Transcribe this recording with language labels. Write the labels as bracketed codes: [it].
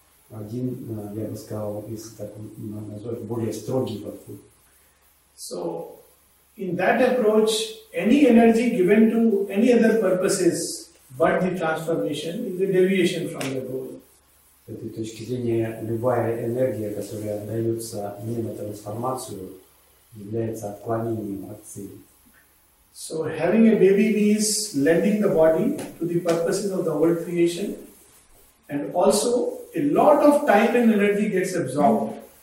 [ru] Один, я бы сказал, если так назвать, более строгий подход. [en] So, In that approach, any energy given to any other purposes but the transformation is a deviation from the goal. [ru] С этой точки зрения, любая энергия, которая отдается не на трансформацию, является отклонением от цели. [en] So having a baby means lending the body to the purposes of the whole creation, and also a lot of time and energy gets absorbed.